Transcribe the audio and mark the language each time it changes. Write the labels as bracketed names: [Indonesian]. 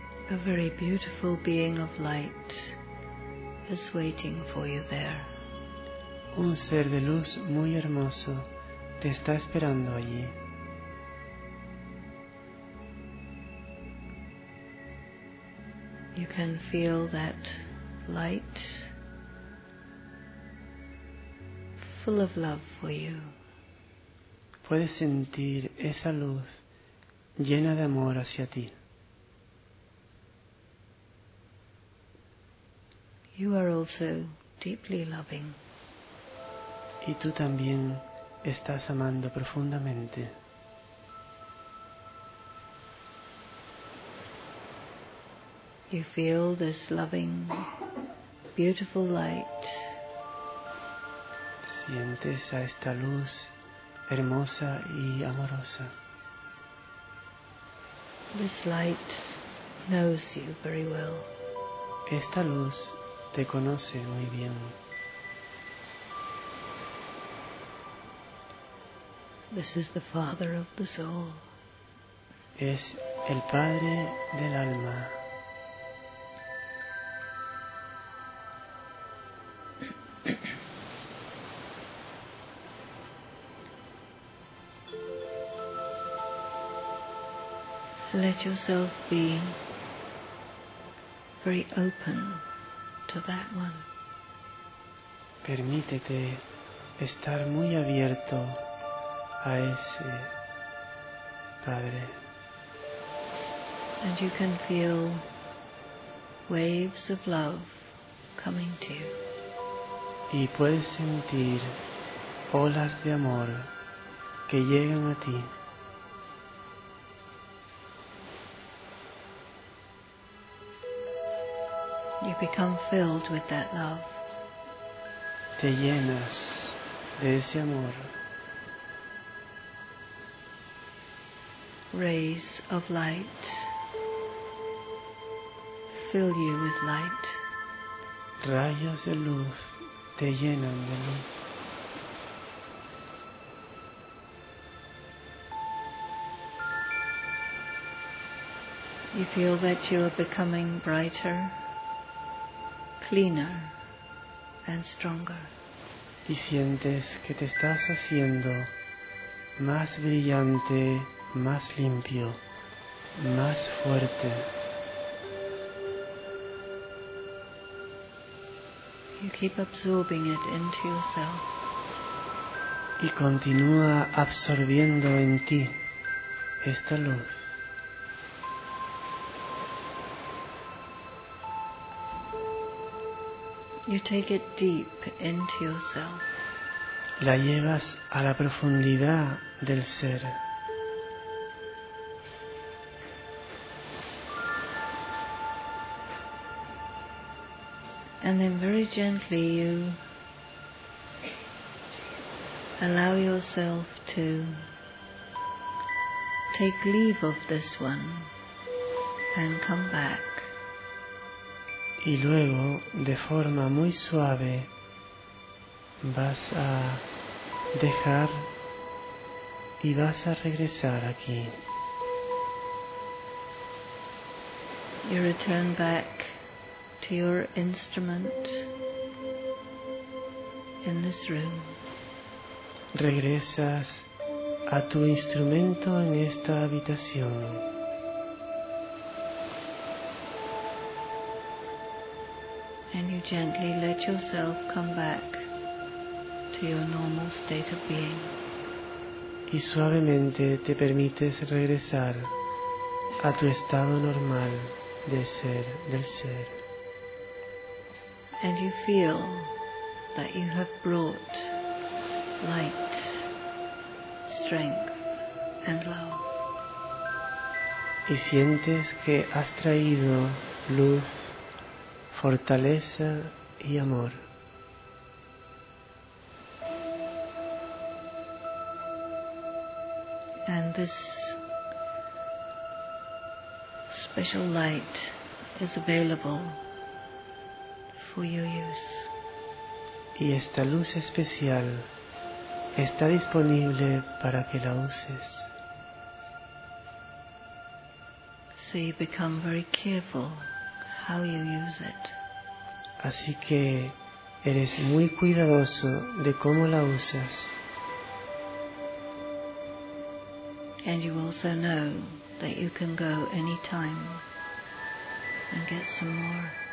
[English] A very beautiful being of light is waiting for you there. [Spanish] Un ser de luz muy hermoso te está esperando allí. [English] You can feel that light full of love for you. [Spanish] Puedes sentir esa luz llena de amor hacia ti. [English] You are also deeply loving. [Spanish] Y tú también estás amando profundamente. [English] You feel this loving, beautiful light. [Spanish] Sientes a esta luz hermosa y amorosa. [English] This light knows you very well. [Spanish] Esta luz te conoce muy bien. [English] This is the father of the soul. [Spanish] Es el padre del alma. [English] Let yourself be very open to that one. [Spanish] Permítete estar muy abierto a ese padre. [English] And you can feel waves of love coming to you. [Spanish] Y puedes sentir olas de amor que llegan a ti. [English] You become filled with that love. [Spanish] Te llenas de ese amor. [English] Rays of light fill you with light. [Spanish] Rayos de luz te llenan de luz. [English] You feel that you are becoming brighter, cleaner and stronger. [Spanish] Y sientes que te estás haciendo más brillante, más limpio, más fuerte. [English] You keep absorbing it into yourself. [Spanish] Y continúa absorbiendo en ti esta luz. [English] You take it deep into yourself. [Spanish] La llevas a la profundidad del ser. [English] And then very gently you allow yourself to take leave of this one and come back. [Spanish] Y luego, de forma muy suave, vas a dejar y vas a regresar aquí. [English] You return back to your instrument in this room. [Spanish] Regresas a tu instrumento en esta habitación. [English] And you gently let yourself come back to your normal state of being. [Spanish] Y suavemente te permites regresar a tu estado normal de ser, del ser. [English] And you feel that you have brought light, strength, and love. [Spanish] Y sientes que has traído luz, fortaleza y amor. [English] And this special light is available for your use. [Spanish] Y esta luz especial está disponible para que la uses. [English] So you become very careful how you use it. [Spanish] Así que eres muy cuidadoso de cómo la usas. [English] And you also know that you can go anytime and get some more.